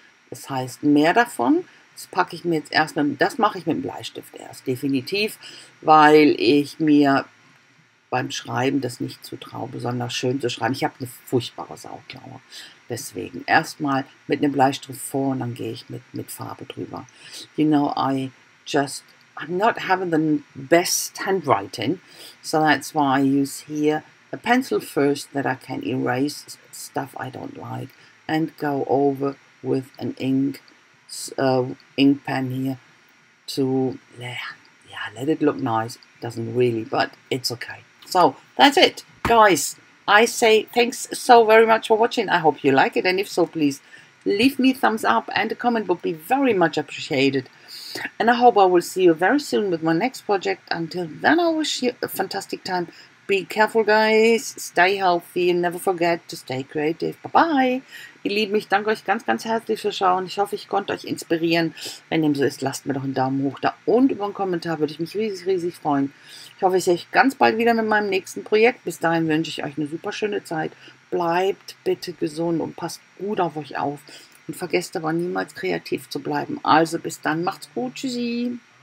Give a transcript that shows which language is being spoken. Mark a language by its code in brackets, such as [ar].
[de] Das heißt, mehr davon, das packe ich mir jetzt erstmal, das mache ich mit dem Bleistift erst, definitiv, weil ich mir beim Schreiben das nicht zutraue, besonders schön zu schreiben. Ich habe eine furchtbare Sauklaue. Deswegen erstmal mit einem Bleistift vor und dann gehe ich mit Farbe drüber. [en] You know, I'm not having the best handwriting, so that's why I use here a pencil first that I can erase stuff I don't like and go over with an ink pen here to let it look nice. Doesn't really, but it's okay. So that's it, guys. I say thanks so very much for watching. I hope you like it. And if so, please leave me a thumbs up and a comment would be very much appreciated. And I hope I will see you very soon with my next project. Until then, I wish you a fantastic time. Be careful, guys. Stay healthy and never forget to stay creative. Bye-bye. [de] Ihr Lieben, ich danke euch ganz, ganz herzlich fürs Schauen. Ich hoffe, ich konnte euch inspirieren. Wenn dem so ist, lasst mir doch einen Daumen hoch da. Und über einen Kommentar würde ich mich riesig, riesig freuen. Ich hoffe, ich sehe euch ganz bald wieder mit meinem nächsten Projekt. Bis dahin wünsche ich euch eine super schöne Zeit. Bleibt bitte gesund und passt gut auf euch auf. Und vergesst aber niemals kreativ zu bleiben. Also bis dann, macht's gut. Tschüssi.